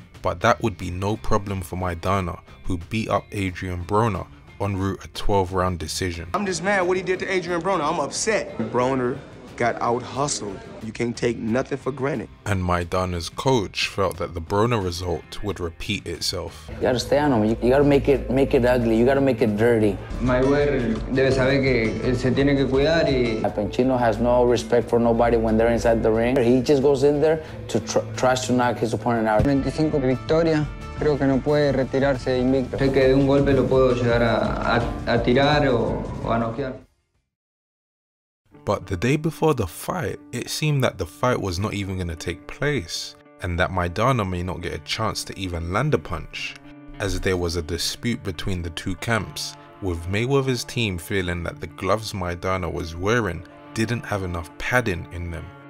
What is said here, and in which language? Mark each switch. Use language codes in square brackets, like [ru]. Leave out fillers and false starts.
[en] But that would be no problem for Maidana, who beat up Adrian Broner en route a 12-round decision. I'm just mad what he did to Adrian Broner. I'm upset. Broner got out hustled. You can't take nothing for granted. And Maidana's coach felt that the Brona result would repeat itself. You gotta stay on him. You gotta make it ugly. You gotta make it dirty. [es] Mayweather debe saber que él se tiene que cuidar y. [en] Pencino has no respect for nobody when they're inside the ring. He just goes in there to try to knock his opponent out. [es] 25 victoria. Creo que no puede retirarse invicto. Sé que de un golpe lo puedo llegar a tirar o a noquear. [en] But the day before the fight, it seemed that the fight was not even going to take place, and that Maidana may not get a chance to even land a punch, as there was a dispute between the two camps, with Mayweather's team feeling that the gloves Maidana was wearing didn't have enough padding in them.